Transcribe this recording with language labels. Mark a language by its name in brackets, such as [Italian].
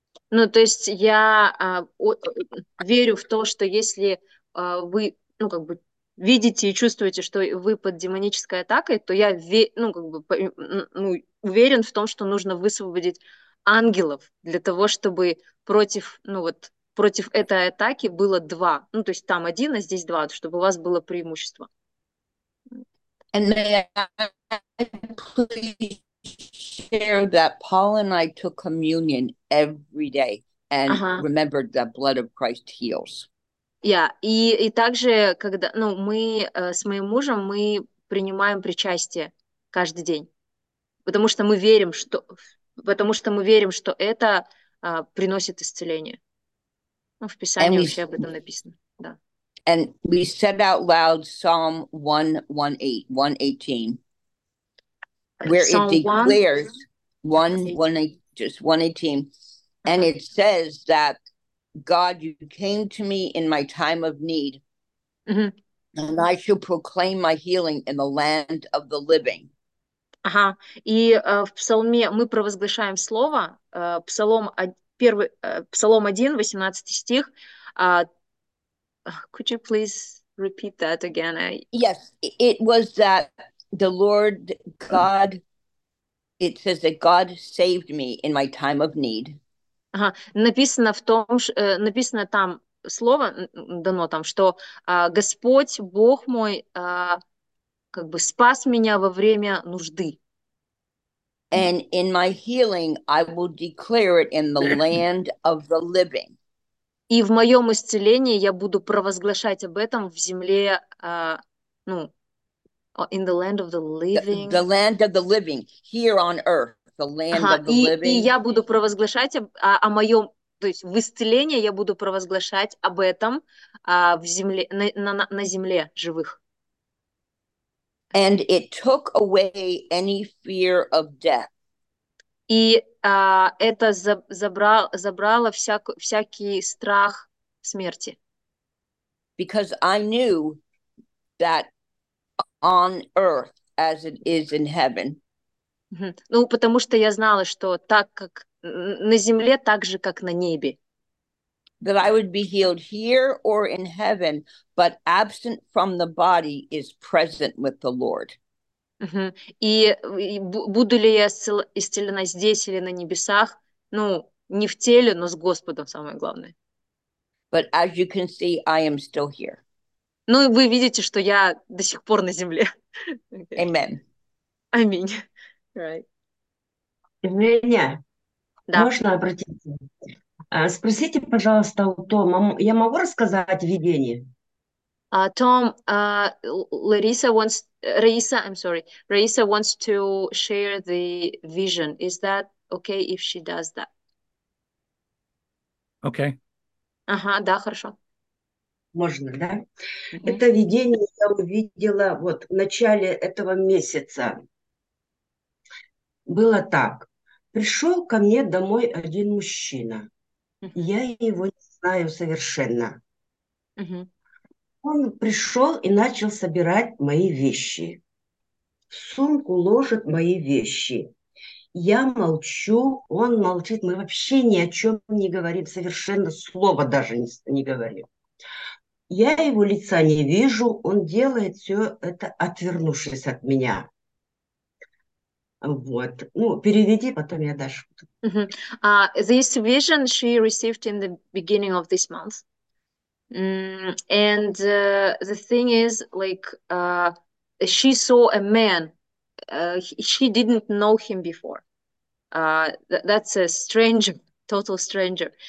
[Russian] Ну, то есть я верю в то, что если вы, ну, как бы видите и чувствуете, что вы под демонической атакой, то я ну, как бы, ну, уверен в том, что нужно высвободить ангелов для того, чтобы против, ну вот, против этой атаки было два. Ну, то есть там один, а здесь два, чтобы у вас было преимущество. [English] And may I please share that Paul and I took communion every day and remembered that blood of Christ heals. [Russian] Yeah, и также, когда, ну, мы с моим мужем, мы принимаем причастие каждый день, потому что мы верим, что это приносит исцеление. Ну, в Писании вообще об этом написано, да. [English] And we said out loud Psalm 118, where it declares 118, and it says that God, you came to me in my time of need, and I shall proclaim my healing in the land of the living. [Russian] Ага, и в псалме мы провозглашаем слово, псалом первый, псалом 1, 18 стих. [English] Could you please repeat that again? Yes, it was that the Lord God, it says that God saved me in my time of need. [Russian] Ага. Написано в том, написано там слово, дано там, что Господь, Бог мой, как бы спас меня во время нужды. [English] And in my healing, I will declare it in the land of the living. [Russian] И в моем исцелении я буду провозглашать об этом в земле, ну, [English] in the land of the living. The land of the living, here on earth, the land [Russian] ага, [English] of the [Russian] и, [English] living. [Russian] И я буду провозглашать о моем, то есть в исцелении я буду провозглашать об этом в земле, на земле живых. [English] And it took away any fear of death. [Russian] И это забрало всякий страх смерти. [English] Because I knew that on earth as it is in heaven. [Russian] Ну, потому что я знала, что так как на земле, так же как на небе. [English] That I would be healed here or in heaven, but absent from the body is present with the Lord. [Russian] И буду ли я исцелена здесь или на небесах? Ну, не в теле, но с Господом, самое главное. [English] But as you can see, I am still here. [Russian] Ну, и вы видите, что я до сих пор на земле. [English] Okay. Amen. [Russian] Аминь. [English] Right. [Russian] Женя, да. Можно обратиться? Спросите, пожалуйста, у Тома, я могу рассказать видение? [English] Tom, Larissa wants, Raisa, I'm sorry, Raisa wants to share the vision. Is that okay if she does that? Okay. [Russian] Ага, да, хорошо. Можно, да? Mm-hmm. Это видение я увидела вот в начале этого месяца. Было так. Пришел ко мне домой один мужчина. Я его не знаю совершенно. Он пришел и начал собирать мои вещи. В сумку ложит мои вещи. Я молчу, он молчит. Мы вообще ни о чем не говорим, совершенно слова даже не говорим. Я его лица не вижу, он делает все это, отвернувшись от меня. Вот. Ну, переведи, потом я дашь. [English] This vision she received in the beginning of this month. And the thing is, like, she saw a man. She didn't know him before. That's a stranger, total stranger.